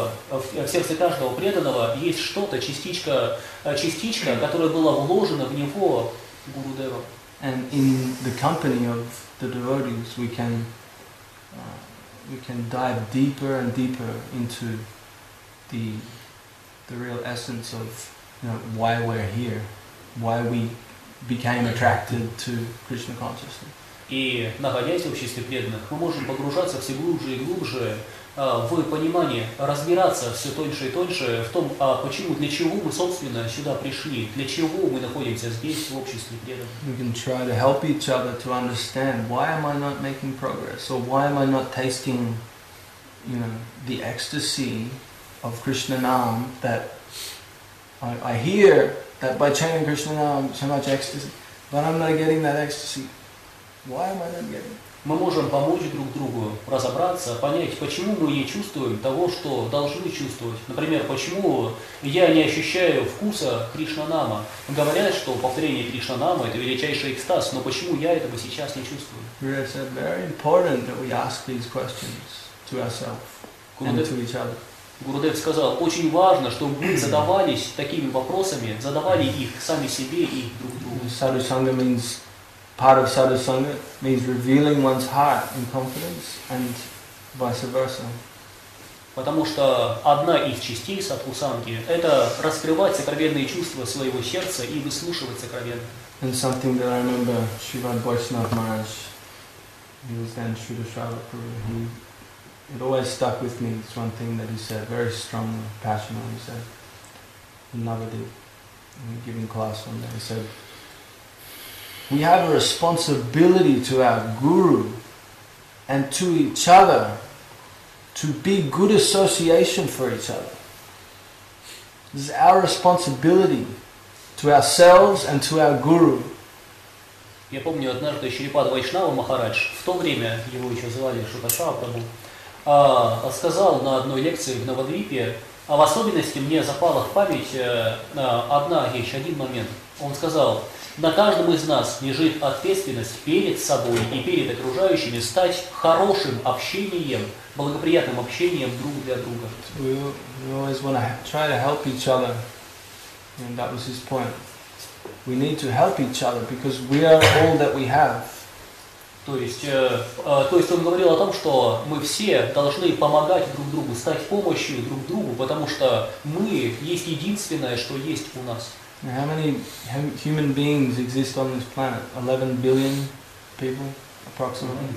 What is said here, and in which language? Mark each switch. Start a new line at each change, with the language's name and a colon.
Russian: В сердце каждого преданного есть что-то, частичка, которая была вложена в него гурудевом.
English: And in the company of the devotees, we can dive deeper and deeper into the real essence of, you know, why we're here, why we became attracted to Krishna consciousness. И находясь в обществе преданных, мы можем погружаться все глубже и глубже в понимание, разбираться все тоньше и тоньше в том, а почему, для чего мы собственно сюда пришли, для чего мы находимся здесь в обществе преданных. We can try to help each other to understand why am I not making progress, or why am I not tasting, you know, the ecstasy of Krishna Nam that I hear that by chanting Krishna now I'm so much ecstasy, but I'm not getting that ecstasy. Why am I not getting?
Russian: Мы можем помочь друг другу разобраться, понять, почему мы не чувствуем того, что должны чувствовать. Например, почему я не ощущаю вкуса Кришнанама. Говорят, что повторение Кришнанама – это величайший экстаз, но почему я этого сейчас не чувствую?
English: It's very important that we ask these questions to ourselves and to each other.
Russian: Гурудев сказал, очень важно, чтобы мы задавались такими вопросами, задавали их сами себе и друг другу.
English: Sadhu Sangha means part of sadhu sangha means revealing one's heart in confidence and vice versa.
Russian: Потому что одна из частей садху санги это раскрывать сокровенные чувства своего сердца и выслушивать сокровенное.
English: And something that I remember, Srivad Vaishnav Maharaj, he was then Srila Srivad Prabhu, it always stuck with me. It's one thing that he said very strongly, passionately. He said, Navadip, giving class one day, he said, we have a responsibility to our guru and to each other to be good association for each other. This is our responsibility to ourselves and to our guru.
Russian: Я помню однажды Шрипад Вайшнава Махарадж, в то время его еще звали Шутасава Прабу, сказал на одной лекции в Навадвипе, а в особенности мне запала в память одна вещь, один момент. Он сказал, на каждом из нас лежит ответственность перед собой и перед окружающими стать хорошим общением, благоприятным общением друг для друга.
English: We always want to try to help each other, and that was his point. We need to help each other because we are all that we have.
Russian: То есть он говорил о том, что мы все должны помогать друг другу, стать помощью друг другу, потому что мы есть единственное, что есть у нас.
English: How many human beings exist on this planet? 11 billion people, approximately?